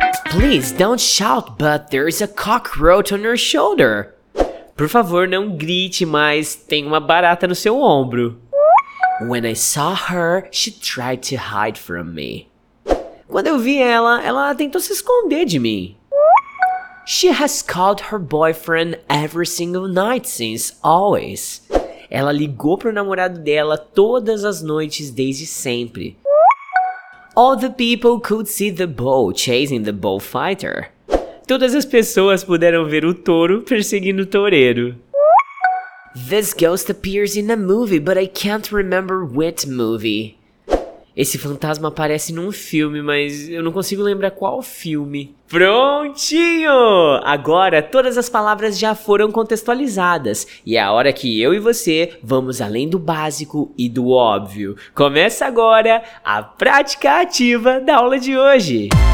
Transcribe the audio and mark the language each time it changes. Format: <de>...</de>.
<en>Please don't shout, but there's a cockroach on your shoulder.</en> <pt>Por favor, não grite, mas tem uma barata no seu ombro.</pt> <en>When I saw her, she tried to hide from me.</en> <pt>Quando eu vi ela, ela tentou se esconder de mim.</pt> <en>She has called her boyfriend every single night since always.</en> <pt>Ela ligou pro namorado dela todas as noites desde sempre.</pt> <en>All the people could see the bull chasing the bullfighter.</en> <pt>Todas as pessoas puderam ver o touro perseguindo o toureiro.</pt> <en>This ghost appears in a movie, but I can't remember which movie.</en> <pt>Esse fantasma aparece num filme, mas eu não consigo lembrar qual filme. Prontinho! Agora todas as palavras já foram contextualizadas. E é a hora que eu e você vamos além do básico e do óbvio. Começa agora a prática ativa da aula de hoje.</pt>